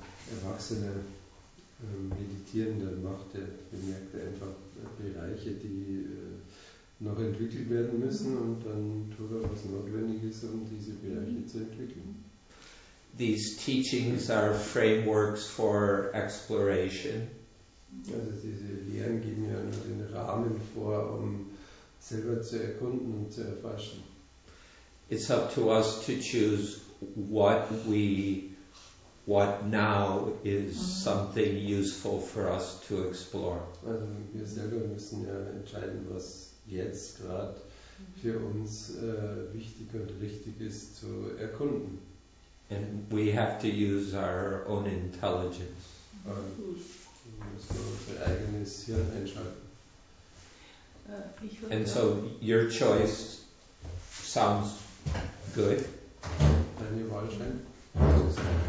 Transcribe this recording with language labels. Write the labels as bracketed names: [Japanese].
[German] Erwachsene Meditierende macht, er bemerkt einfach Bereiche, die noch entwickelt werden müssen, und dann tut er, was notwendig ist, um diese Bereiche zu entwickeln. [English] These teachings are frameworks for exploration. [German] Also diese Lehren geben ja nur den Rahmen vor, um selber zu erkunden und zu erforschen. [English] It's up to us to choose what now is something useful for us to explore. [German] Also wir selber müssen ja entscheiden, was jetzt gerade für uns wichtig und richtig ist zu erkunden. [English] And we have to use our own intelligence. [German] Und wir müssen unser eigenes Hirn einschalten. [English] And so your choice sounds good. [German] Deine Wahl scheint.